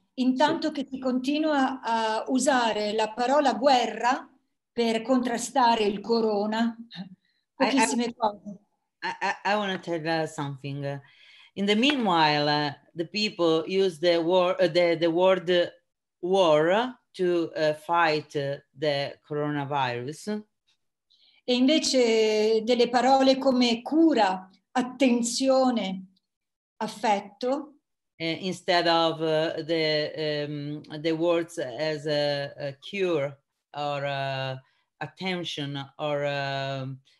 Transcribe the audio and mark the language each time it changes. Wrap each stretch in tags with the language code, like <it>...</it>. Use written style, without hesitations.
<it>Intanto sì. Che si continua a usare la parola guerra per contrastare il corona, pochissime cose.</it> <en>I want to tell something. In the meanwhile, the people use the war, the word war to fight the coronavirus.</en> <it>E invece delle parole come cura, attenzione, affetto.</it> <en>Instead of the words as a cure or attention or</en>